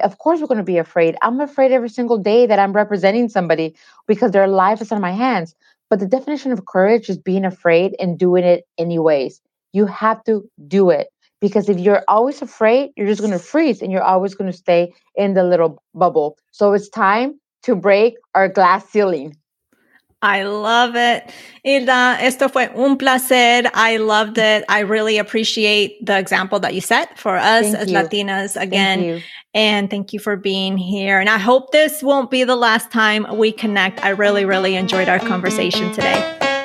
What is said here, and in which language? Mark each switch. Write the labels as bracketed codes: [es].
[en] Of course, we're going to be afraid. I'm afraid every single day that I'm representing somebody because their life is on my hands. But the definition of courage is being afraid and doing it anyways. You have to do it, because if you're always afraid, you're just going to freeze and you're always going to stay in the little bubble. So it's time to break our glass ceiling. I love it. [es] Hilda, esto fue un placer. [en] I loved it. I really appreciate the example that you set for us as Latinas again. Thank you. And thank you for being here. And I hope this won't be the last time we connect. I really, really enjoyed our conversation today.